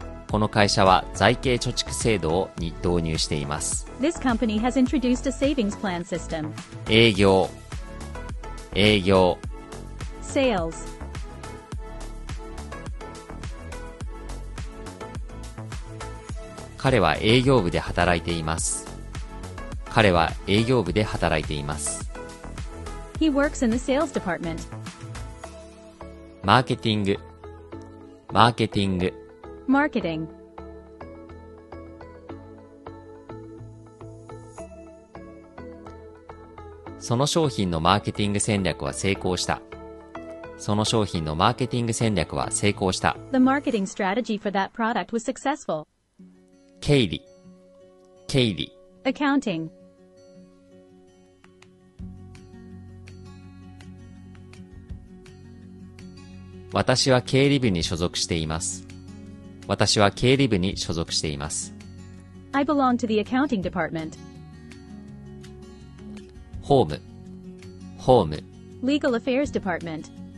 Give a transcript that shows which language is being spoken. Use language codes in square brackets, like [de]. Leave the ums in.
[ja] この会社は財形貯蓄制度をに導入しています [en] This company has introduced a savings plan system. [ja] 営業営業 Sales. 彼は営業部で働いています彼は営業部で働いています [en] He works in the sales department. [ja] マーケティングマーケティング Marketing その商品のマーケティング戦略は成功した。その商品のマーケティング戦略は成功した。 [en] The marketing strategy for that product was successful. [ja] 経理経理 [en] Accounting [ja] 私は経理部に所属しています。私は経理部に所属しています。 [en] I belong to the accounting department. [ja] ホーム、ホーム。 [en] Legal affairs department.